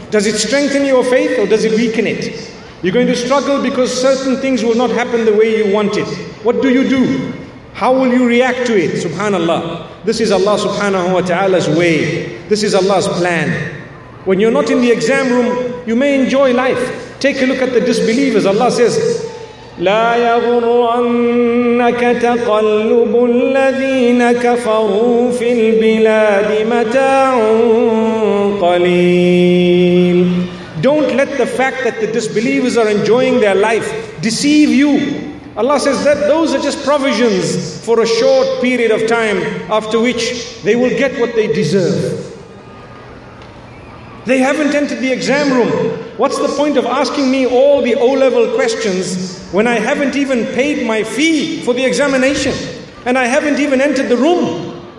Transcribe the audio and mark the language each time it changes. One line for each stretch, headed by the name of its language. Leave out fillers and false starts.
English: Does it strengthen your faith or does it weaken it? You're going to struggle because certain things will not happen the way you want it. What do you do? How will you react to it? Subhanallah. This is Allah subhanahu wa ta'ala's way. This is Allah's plan. When you're not in the exam room, you may enjoy life. Take a look at the disbelievers. Allah says,
Arabic: لا يغرنك تقلب الذين كفروا في البلاد متاع قليل.
English: Don't let the fact that the disbelievers are enjoying their life deceive you. Allah says that those are just provisions for a short period of time, after which they will get what they deserve. They haven't entered the exam room. What's the point of asking me all the O-level questions when I haven't even paid my fee for the examination and I haven't even entered the room?